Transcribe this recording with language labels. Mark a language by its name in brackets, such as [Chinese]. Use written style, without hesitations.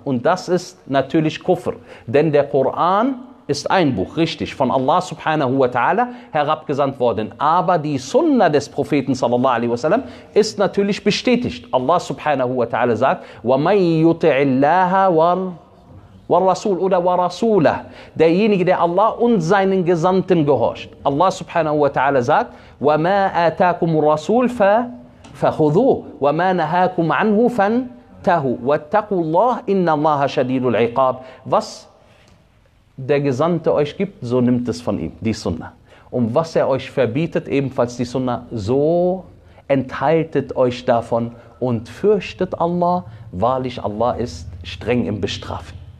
[German] Und das ist natürlich Kuffar. Denn der Koran ist ein Buch, richtig, von Allah subhanahu wa ta'ala herabgesandt worden. Aber die Sunna des Propheten sallallahu alaihi wasallam ist natürlich bestätigt. Allah subhanahu wa ta'ala sagt, [Arabic] وَمَنْ يُطِعِ اللَّهَ وَالرَّسُولَ [German] oder [Arabic] وَرَسُولَهُ, [German] derjenige, der Allah und seinen Gesandten gehorcht. [Arabic] Allah subhanahu wa ta'ala [German] sagt, [Arabic] وَمَا آتَاكُمُ الرَّسُولَ فَخُذُوهُ وَمَا نَهَاكُمْ عَنْهُ فَانْتَهُوا وَاتَّقُوا اللَّهَ إِنَّ اللَّهَ شَدِيدُ الْعِقَابِ. [German] Was der Gesandte euch gibt, so nimmt es von ihm, die Sunna. Und was er euch verbietet, ebenfalls die Sunna, so enthaltet euch davon und fürchtet Allah, wahrlich Allah ist streng im Bestrafen.